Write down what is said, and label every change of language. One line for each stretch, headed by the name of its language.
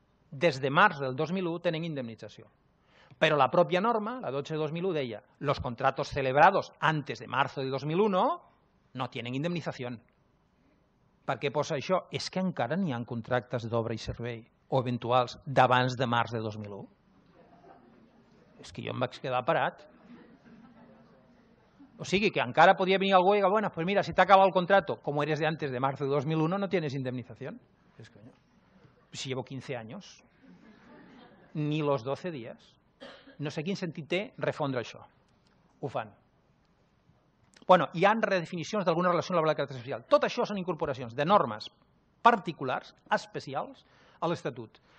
Catalan: Des de març del 2001 tenen indemnització. Però la pròpia norma, la 12-2001, deia
Spanish: los contratos celebrados antes de marzo de 2001 no tienen indemnización.
Catalan: Per què posa això? És que encara n'hi ha contractes d'obra i servei o eventuals d'abans de març de 2001. És que jo em vaig quedar parat. O sigui, que encara podia venir algú i dir,
Spanish: bueno, pues mira, si t'acaba el contrato, como eres de antes de marzo de 2001, no tienes indemnización.
Catalan: És que, si llevo 15 anys, ni los 12 dies. No sé quin sentit té refondre això. Ho fan. Bueno, hi ha redefinicions d'alguna relació laboral de caràcter especial. Tot això són incorporacions de normes particulars, especials, a l'Estatut.